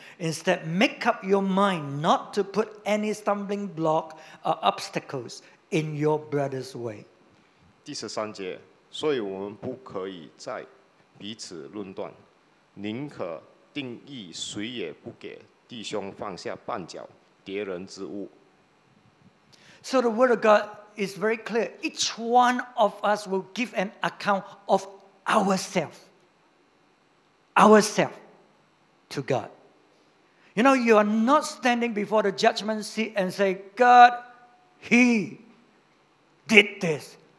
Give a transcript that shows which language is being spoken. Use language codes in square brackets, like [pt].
[en] Instead, make up your mind not to put any stumbling block or obstacles in your brother's way. [zh] 第十三节，所以我们不可以再彼此论断，宁可定义谁也不给弟兄放下绊脚。敌人之物。 [en] So the word of God is very clear. Each one of us will give an account of ourselves. Ourself to God. You know, you are not standing before the judgment seat and say, God, he did this.